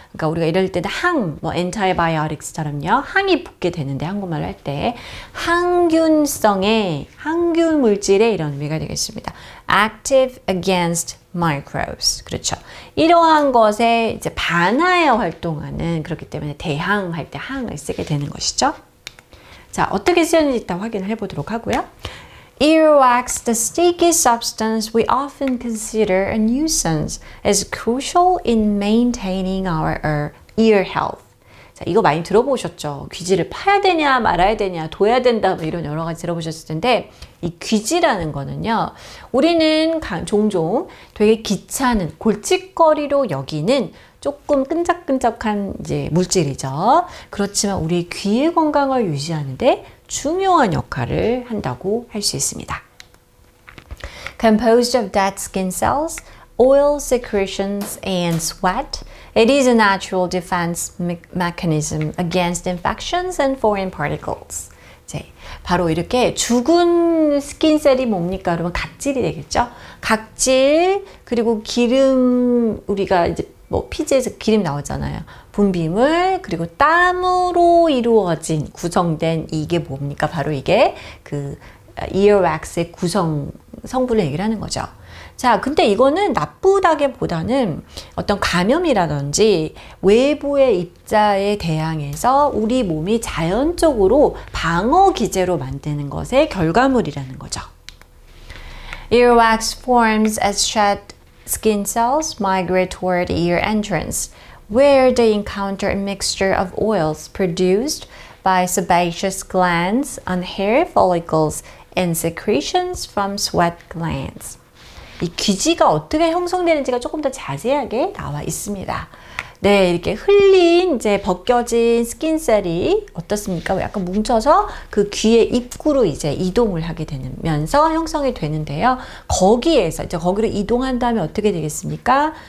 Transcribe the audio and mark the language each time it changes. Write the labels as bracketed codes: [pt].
[ko] 그러니까 우리가 이럴 때는 항, 뭐 엔타이바이오틱스처럼요. 항이 붙게 되는데 한국말로 할때 항균성에, 항균 물질에 이런 의미가 되겠습니다. [en] Active against microbes. [ko] 그렇죠. 이러한 것에 이제 반하여 활동하는, 그렇기 때문에 대항할 때 항을 쓰게 되는 것이죠. 자, 어떻게 쓰였는지 일단 확인을 해보도록 하고요. [en] Earwax, the sticky substance we often consider a nuisance, is crucial in maintaining our ear health. [ko] 자, 이거 많이 들어보셨죠? 귀지를 파야 되냐, 말아야 되냐, 둬야 된다, 뭐 이런 여러 가지 들어보셨을 텐데, 이 귀지라는 거는요, 우리는 종종 되게 귀찮은 골칫거리로 여기는 조금 끈적끈적한 이제 물질이죠. 그렇지만 우리의 귀의 건강을 유지하는데 중요한 역할을 한다고 할수 있습니다. [en] Composed of dead skin cells, oil secretions, and sweat, it is a natural defense mechanism against infections and foreign particles. [ko] 네, 바로 이렇게 죽은 스킨셀이 뭡니까? 그러면 각질이 되겠죠? 각질, 그리고 기름, 우리가 이제 뭐 피지에서 기름 나오잖아요. 분비물 그리고 땀으로 이루어진 구성된 이게 뭡니까? 바로 이게 그 이어왁스의 구성 성분을 얘기를 하는 거죠. 자, 근데 이거는 나쁘다기보다는 어떤 감염이라든지 외부의 입자에 대항해서 우리 몸이 자연적으로 방어 기제로 만드는 것의 결과물이라는 거죠. [en] Earwax forms as shed skin cells migrate toward ear entrance, where they encounter a mixture of oils produced by sebaceous glands on hair follicles and secretions from sweat glands. [ko] 이 귀지가 어떻게 형성되는지가 조금 더 자세하게 나와 있습니다. 네, 이렇게 흘린 이제 벗겨진 스킨셀이 어떻습니까? 약간 뭉쳐서 그 귀의 입구로 이제 이동을 하게 되면서 형성이 되는데요. 거기에서 이제 거기로 이동한다면 어떻게 되겠습니까?